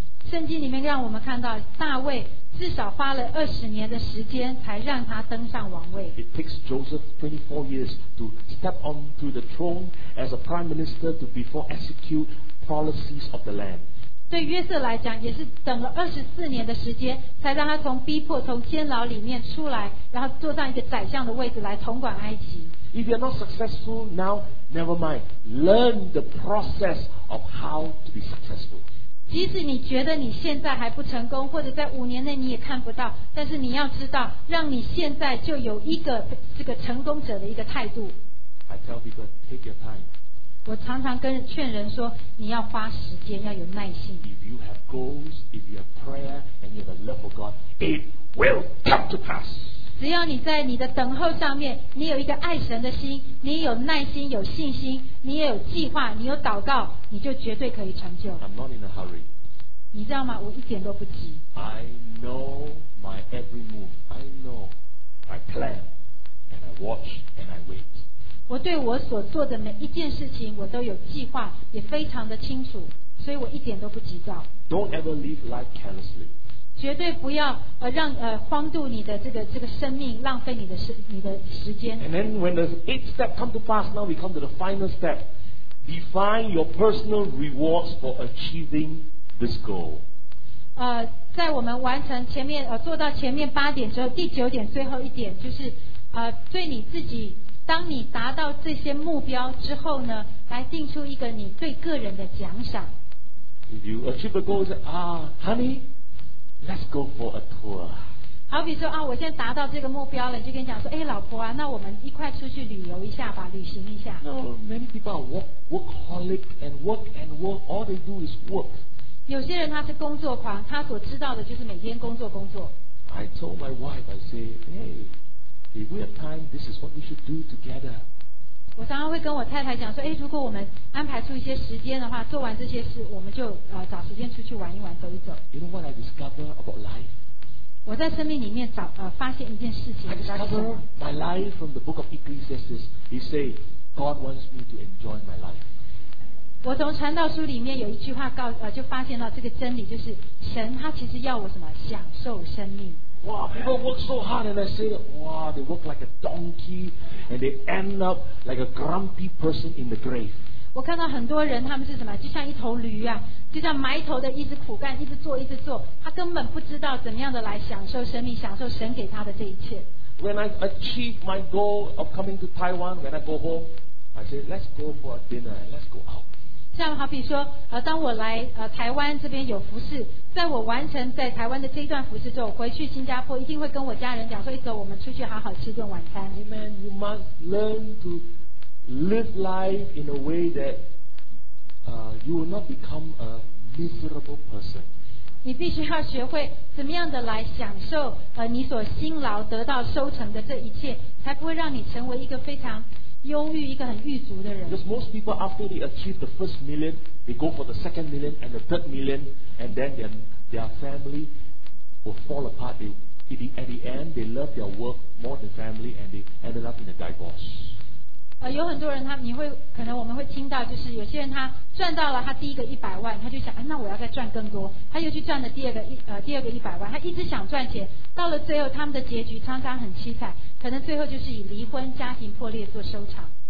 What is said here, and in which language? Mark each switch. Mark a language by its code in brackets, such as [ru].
[zh] 圣经里面让我们看到大卫至少花了20年的时间才让他登上王位。 [en] It takes Joseph 24 years to step onto the throne as a prime minister to before execute policies of the land. [zh] 对约瑟来讲，也是等了24年的时间，才让他从逼迫、从监牢里面出来，然后坐上一个宰相的位置来统管埃及。 [en] If you're not successful now, never mind. Learn the process of how to be successful. [zh] 即使你觉得你现在还不成功，或者在5年内你也看不到，但是你要知道，让你现在就有一个这个成功者的一个态度。 [en] I tell people, take your time. [zh] 我常常跟劝人说，你要花时间，要有耐心。 [en] If you have goals, if you have prayer, and you have a love for God, it will come to pass. [zh] 只要你在你的等候上面，你有一个爱神的心，你有耐心，有信心，你也有计划，你有祷告，你就绝对可以成就。 [en] I'm not in a hurry. [zh] 你知道吗？我一点都不急。 [en] I know my every move. I know I plan, and I watch, and I wait. [zh] 我对我所做的每一件事情我都有计划，也非常的清楚，所以我一点都不急躁。 [en] Don't ever live life carelessly. [zh] 绝对不要荒度你的这个生命，浪费你的时间。 [en] And then when the 8th step come to pass, now we come to the final step. Define your personal rewards for achieving this goal. [zh] 在我们完成前面做到前面8点之后，第9点最后一点就是对你自己，当你达到这些目标之后呢，来定出一个你对个人的奖赏。 [en] If you achieve a goal, honey, let's go for a tour. [zh] 好比说我现在达到这个目标了，你就跟你讲说，老婆那我们一块出去旅游一下吧，旅行一下。 [en] No, many people are workaholic and work and work. All they do is work. [zh] 有些人他是工作狂，他所知道的就是每天工作工作。 [en] I told my wife, I said, hey.If we have time, this is what we should do together. [zh] 我常常会跟我太太讲说，如果我们安排出一些时间的话，做完这些事，我们就找时间出去玩一玩，走一走。 [en] You know what I discover about life? [zh] 我在生命里面找发现一件事情。 [en] I discover my life from the book of Ecclesiastes. He say, God wants me to enjoy my life. [zh] 我从传道书里面有一句话就发现到这个真理，就是神他其实要我什么享受生命。 [en] Wow, people work so hard, and I say, wow, they work like a donkey, and they end up like a grumpy person in the grave. [zh] 我看到很多人，他们是什么？就像一头驴啊，就像埋头的，一直苦干，一直做，一直做。他根本不知道怎么样的来享受生命，享受神给他的这一切。 [en] When I achieve my goal of coming to Taiwan, when I go home, I say, let's go for a dinner, and let's go out. [zh] 像好比说当我来台湾这边有服事，在我完成在台湾的这一段服事之后，回去新加坡一定会跟我家人讲说，一走我们出去好好吃顿晚餐。 [en] Amen. You must learn to live life in a way that you will not become a miserable person. [zh] 你必须要学会怎么样的来享受你所辛劳得到收成的这一切，才不会让你成为一个非常忧郁，一个很郁卒的人。 [en] Because most people after they achieve the first million, they go for the second million and the third million, and then their family will fall apart. At the end, they love their work more than family, and they ended up in a divorce. [zh] 有很多人他，可能我们会听到，就是有些人他赚到了他第一个一百万，他就想，那我要再赚更多。他又去赚了第二个一百万，他一直想赚钱，到了最后他们的结局常常很凄惨。可能最后就是以离婚、家庭破裂做收场。